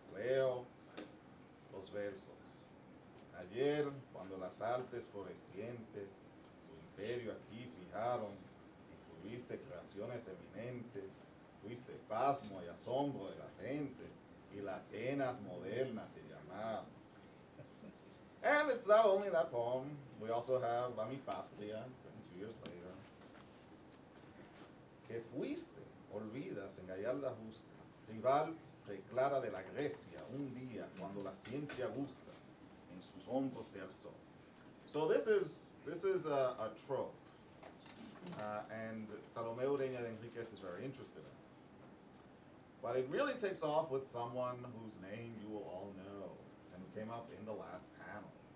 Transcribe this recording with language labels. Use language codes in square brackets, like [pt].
[es] Leo los versos. Ayer, cuando las artes florecientes aquí fijaron y tuviste creaciones eminentes, fuiste pasmo y asombro de las gentes y la Atenas moderna te llamaron. [en] And it's not only that poem, we also have Va mi patria, 22 years later. [es] Que fuiste, olvidas en Gallarda Justa, rival reclara de la Grecia un día cuando la ciencia gusta en sus hombros te alzó. [en] So this is a trope, and Salomé Ureña de Enríquez is very interested in it. But it really takes off with someone whose name you will all know, and came up in the last panel.